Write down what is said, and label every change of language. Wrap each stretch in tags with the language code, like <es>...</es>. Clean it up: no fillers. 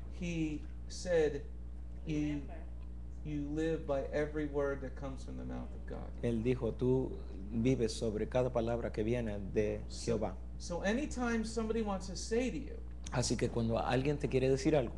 <en>He said, you live by every word that comes from the mouth of God.</en> <es>Él dijo, tú vives sobre cada palabra que viene de Jehová.</es> <en>So anytime somebody wants to say to you,</en> <es>así que cuando alguien te quiere decir algo,</es>